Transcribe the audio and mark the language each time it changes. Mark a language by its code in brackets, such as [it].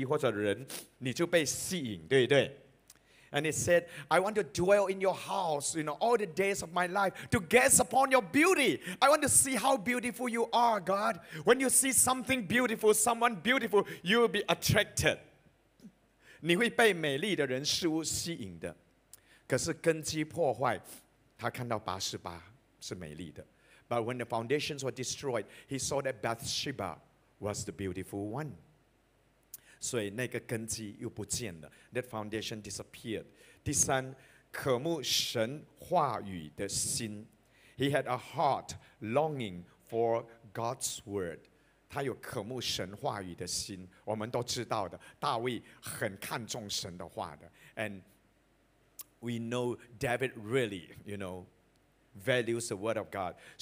[zh] 因为我要跟你亲近，你看到很美的东西或者人，你就被吸引，对不对？ [en] And he said, I want to dwell in your house, you know, all the days of my life, to gaze upon your beauty. I want to see how beautiful you are, God. When you see something beautiful, someone beautiful, you will be attracted. [zh] 你会被美丽的人事物吸引的。可是根基破坏，他看到八十八是美丽的。 [en] But when the foundations were destroyed, he saw that Bathsheba was the beautiful one. [zh] 所以那个根基又不见了。 [en] That foundation disappeared. [zh] 第三，渴慕神话语的心。 [en] He had a heart longing for God's word. [zh] 他有渴慕神话语的心。我们都知道的，大卫很看重神的话的。 [en] And we know David really, you know, values the word of God.